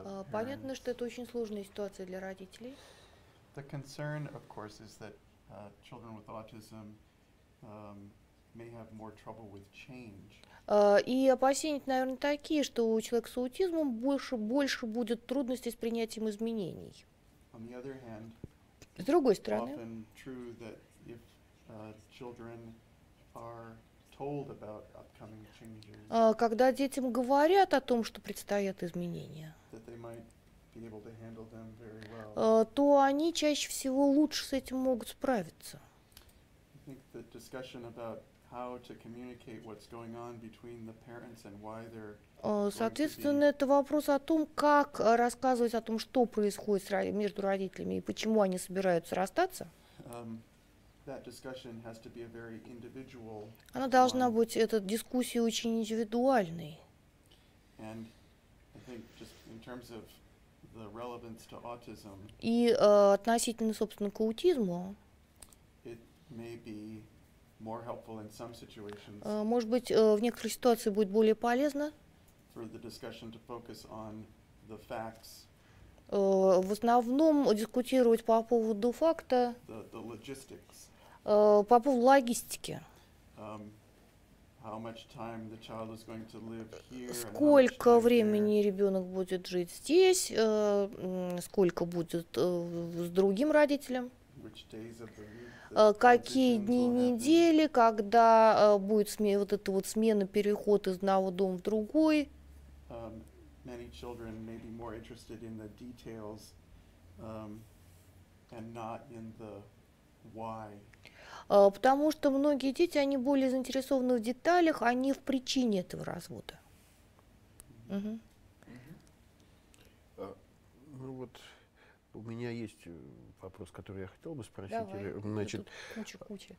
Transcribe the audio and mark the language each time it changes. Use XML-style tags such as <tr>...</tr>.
<ru>Понятно, что это очень сложная ситуация для родителей.</ru> <en>The concern, of course, is that children with autism may have more trouble with change.</en> <ru>И опасения, наверное, такие, что у человека с аутизмом больше будет трудностей с принятием изменений.</ru> <en>On the other hand,</en> <ru>с другой стороны,</ru> <en>often true that if children are told about upcoming changes,</en> <ru>когда детям говорят о том, что предстоят изменения,</ru> <en>that they might able to handle them very well.</en> <ru>То они чаще всего лучше с этим могут справиться.</ru> <en>I think the discussion about how to communicate what's going on between the parents and why they're</en> <ru>Соответственно, это вопрос о том, как рассказывать о том, что происходит между родителями и почему они собираются расстаться.</ru> <en>That discussion has to be a very individual.</en> <ru>Она должна быть, эта дискуссия, очень индивидуальной.</ru> <en>And I think just in terms of the relevance to autism,</en> <ru>и относительно, собственно, к аутизму,</ru> <en>it may be more helpful in some situations,</en> <ru>может быть, в некоторых ситуациях будет более полезно</ru> <en>for the discussion to focus on the facts,</en> <ru>в основном дискутировать по поводу факта,</ru> <en>the logistics,</en> <ru>по поводу логистики.</ru> <en>How much time the child is going to live here?</en> <ru>Сколько времени ребенок будет жить здесь? Сколько будет с другим родителем?</ru> <en>Which days of the week?</en> <ru>Какие дни недели, когда будет вот эта вот смена, переход из одного дома в другой?</ru> <en>Many children may be more interested in the details, and not in the why.</en> <ru>Потому что многие дети, они более заинтересованы в деталях, а не в причине этого развода. Ну вот, у меня есть вопрос, который я хотел бы спросить. Давай. Значит, куча.</ru>